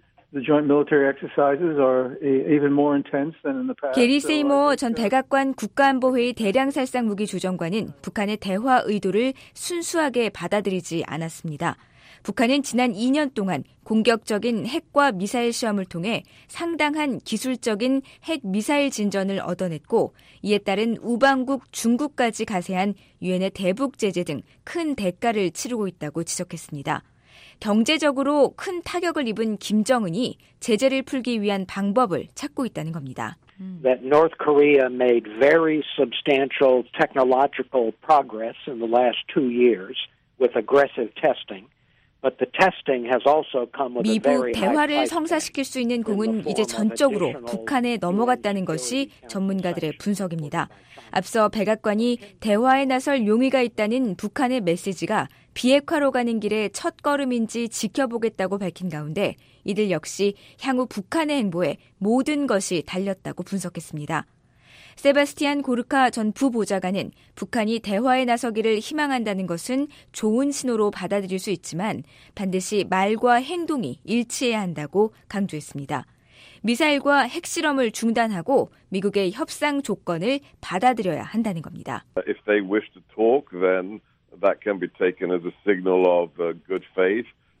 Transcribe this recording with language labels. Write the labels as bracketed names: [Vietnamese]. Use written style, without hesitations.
[English] The joint military exercises are even more intense than in the past. [Korean] 게리 세이모 전 백악관 국가안보회의 대량살상 무기 조정관은 북한의 대화 의도를 순수하게 받아들이지 않았습니다. 북한은 지난 2년 동안 공격적인 핵과 미사일 시험을 통해 상당한 기술적인 핵미사일 진전을 얻어냈고 이에 따른 우방국 중국까지 가세한 유엔의 대북 제재 등 큰 대가를 치르고 있다고 지적했습니다. 경제적으로 큰 타격을 입은 김정은이 제재를 풀기 위한 방법을 찾고 있다는 겁니다. [English] That North Korea made very substantial technological progress in the last two years with aggressive testing. But the testing has also come with a very high price. [Korean] 미북 대화를 성사시킬 수 있는 공은 이제 전적으로 북한에 넘어갔다는 것이 전문가들의 분석입니다. 앞서 백악관이 대화에 나설 용의가 있다는 북한의 메시지가 비핵화로 가는 길의 첫 걸음인지 지켜보겠다고 밝힌 가운데 이들 역시 향후 북한의 행보에 모든 것이 달렸다고 분석했습니다. 세바스티안 고르카 전 부보좌관은 북한이 대화에 나서기를 희망한다는 것은 좋은 신호로 받아들일 수 있지만 반드시 말과 행동이 일치해야 한다고 강조했습니다. 미사일과 핵실험을 중단하고 미국의 협상 조건을 받아들여야 한다는 겁니다. [English] If they wish to talk, then that can be taken as a signal of good faith.